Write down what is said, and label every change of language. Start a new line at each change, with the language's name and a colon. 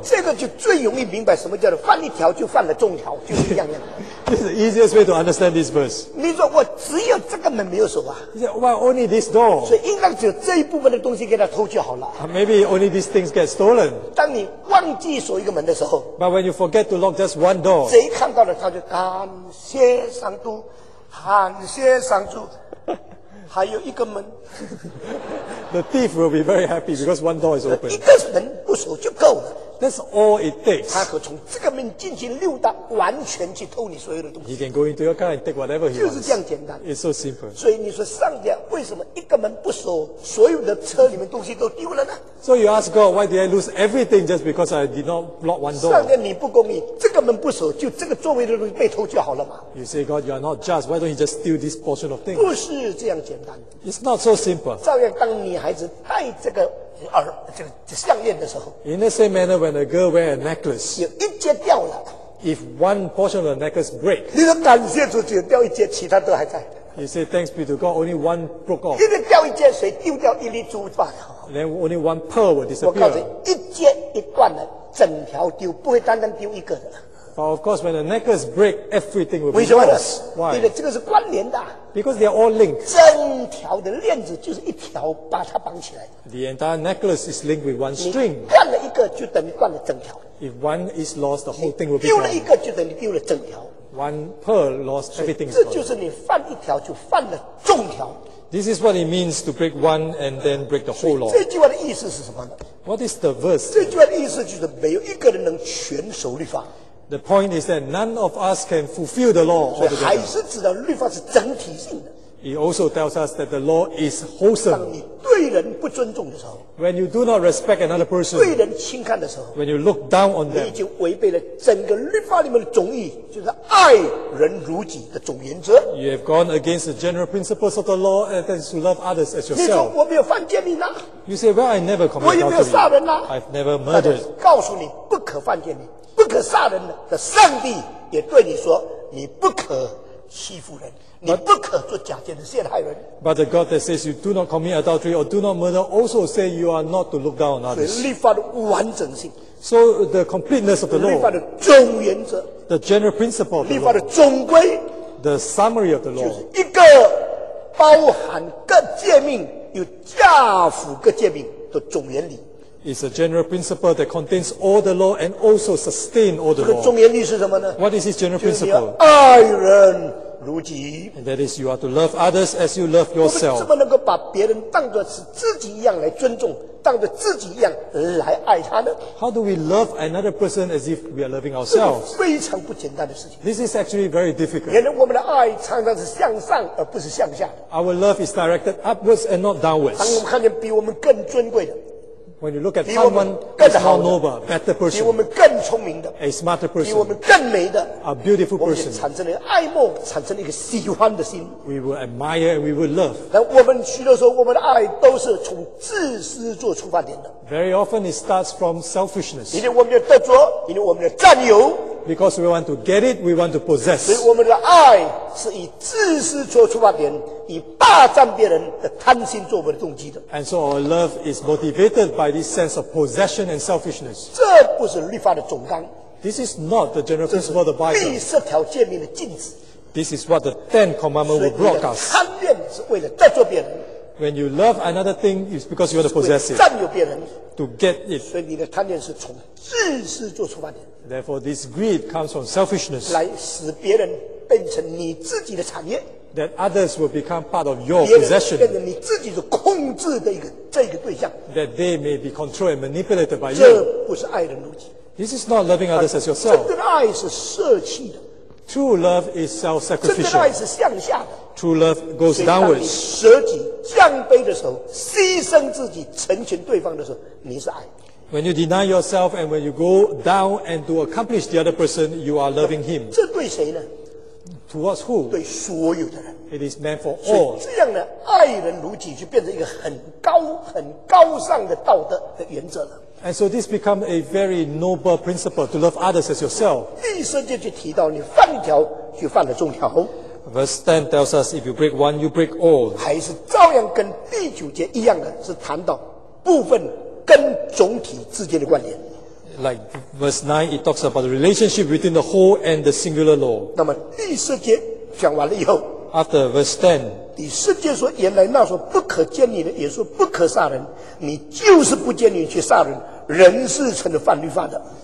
Chinese: 这个就最容易明白什么叫做犯一条就犯了众条，就是一样样。
English: This is the easiest way to understand this verse.
Chinese: 你说我只有这个门没有锁啊？
English: Well, only this door.
Chinese: 所以应该只有这一部分的东西给他偷去好了。
English: Maybe only these things get stolen.
Chinese: 当你忘记锁一个门的时候，
English: But when you forget to lock just one door,
Chinese: 谁看到了他就感谢上主，感谢上主。还有一个门
English: The thief will be very happy because one door is open.
Chinese: 一个门不熟就够了。
English: That's all it takes.
Chinese: 他可从这个门进去溜达，完全去偷你所有的东西。
English: He can go into your car and take whatever he wants.
Chinese: 就是这样简单。
English: It's so simple.
Chinese: 所以你说上帝为什么一个门不锁，所有的车里面东西都丢了呢
English: ？So you ask God, why did I lose everything just because I did not lock one door?
Chinese: 上帝你不公义，这个门不锁，就这个座位的东西被偷就好了嘛
English: ？You say God, you are not just. Why don't you just steal this portion of things?
Chinese: 不是这样简单。
English: It's not so simple.
Chinese: 照样，当女孩子戴这个。这个项链的时候
English: ，In the same manner, when a girl wear a necklace,
Chinese: 有一节掉了。
English: If one portion of the necklace break,
Chinese: 你说感谢主，只有掉一节，其他都还在。
English: You say thanks be to God, only one broke off.
Chinese: 一个掉一节，谁丢掉一粒珠罢了
English: ？Then only one pearl will disappear.
Chinese: 我告诉你，一节一断了，整条丢，不会单单丢一个的。
English: But of course, when the necklace break, everything will be lost.
Chinese: 为什么呢
English: ？Why?
Chinese: 因为这个是关联的。
English: Because they are all linked.
Chinese: 整条的链子就是一条，把它绑起来。
English: The entire necklace is linked with one string.
Chinese: 你断了一个，就等于断了整条。
English: If one is lost, the whole thing will be lost.
Chinese: 丢了一个，就等于丢了整条。
English: One pearl lost, everything is lost.
Chinese: 这就是你犯一条，就犯了众条。
English: This is what it means to break one and then break the whole law.
Chinese: 这句话的意思是什么呢
English: ？What is the verse?
Chinese: 这句话的意思就是没有一个人能全守律法。
English: The point is that none of us can fulfill the law.
Chinese: 所以还是知道律法是整体性的。
English: It also tells us that the law is wholesome.
Chinese: 当你对人不尊重的时候
English: ，When you do not respect another person，
Chinese: 对人轻看的时候
English: ，When you look down on them，
Chinese: 你已经违背了整个律法里面的总意，就是爱人如己的总原则。
English: You have gone against the general principles of the law, and that is to love others as yourself.
Chinese: 你说我没有犯奸淫呐
English: ？You say, well, I never committed adultery.
Chinese: 我也没有杀人呐
English: ？I've never murdered.
Chinese: 告诉你，不可犯奸淫。不可杀人的上帝也对你说：“你不可欺负人，你不可做假见证陷害人。”
English: But the God that says you do not commit adultery or do not murder also say you are not to look down on others.
Chinese: 所以律法的完整性。
English: So the completeness of the law.
Chinese: 律法的总原则。
English: The general principle.
Chinese: 律法的总归。
English: The summary of the law.
Chinese: 就是一个包含各诫命又加附各诫命的总原理。
English: It's a general principle that contains all the law and also sustains all the law.
Chinese: 这个总原理是什么呢
English: ？What is this general principle?
Chinese: 就是你要爱人如己。
English: And that is, you are to love others as you love yourself.
Chinese: 我们怎么能够把别人当作是自己一样来尊重，当作自己一样来爱他呢
English: ？How do we love another person as if we are loving ourselves?
Chinese: 这是非常不简单的事情。
English: This is actually very difficult.
Chinese: 原来我们的爱常常是向上而不是向下。
English: Our love is directed upwards and not downwards.
Chinese: 当我们看见比我们更尊贵的。
English: When you look at someone that's more noble, better person,
Chinese: 比我们更聪明的
English: a smarter person,
Chinese: 比我们更美的
English: a beautiful person,
Chinese: 我们产生了一个爱慕，产生了一个喜欢的心
English: we will admire and we will love.
Chinese: 那我们许多时候，我们的爱都是从自私做出发点的
English: Very often it starts from selfishness.
Chinese: 因为我们的得着，因为我们的占有
English: Because we want to get it, we want to possess.
Chinese: 所以我们的爱是以自私做出发点。以霸占别人的贪心作为动机的。
English: And so our love is motivated by this sense of possession and selfishness.
Chinese: 这不是律法的总纲。
English: This is not the general principle of the Bible.
Chinese: 第十条诫命的禁止。
English: This is what the Ten Commandments will broadcast.
Chinese: 所以你的贪恋是为了得着别人。
English: When you love another thing, it's because you want to possess it.
Chinese: 占有别人。
English: To get it.
Chinese: 所以你的贪恋是从自私做出发点。
English: Therefore, this greed comes from selfishness.
Chinese: 来使别人变成你自己的产业。
English: That others will become part of your possession.
Chinese: 别人变成你自己的控制的一个这个对象。
English: That they may be controlled and manipulated by you.
Chinese: 这不是爱人如己。
English: This is not loving others as yourself.
Chinese: 真正的爱是舍弃的。
English: True love is self-sacrificial.
Chinese: 真正的爱是向下的。
English: True love goes downwards.
Chinese: 所以当你舍己降卑的时候，牺牲自己成全对方的时候，你是爱。
English: When you deny yourself and when you go down and to accomplish the other person, you are loving him.
Chinese: 这对谁呢？
English: Towards who?
Chinese: 对所有的人。
English: It is meant for all.
Chinese: 所以这样呢，爱人如己就变成一个很高、很高尚的道德的原则了。
English: And so this becomes a very noble principle to love others as yourself.
Chinese: 第十节就提到，你犯一条就犯了众条。
English: Verse 10 tells us, if you break one, you break all.
Chinese: 还是照样跟第九节一样的，是谈到部分跟总体之间的关联。
English: Like verse 9, it talks about the relationship between the whole and the singular law.
Chinese: 那么第十节讲完了以后
English: After verse 10,
Chinese: 第十节说原来那说不可奸淫的也说不可杀人你就是不奸淫去杀人人是成了犯律法的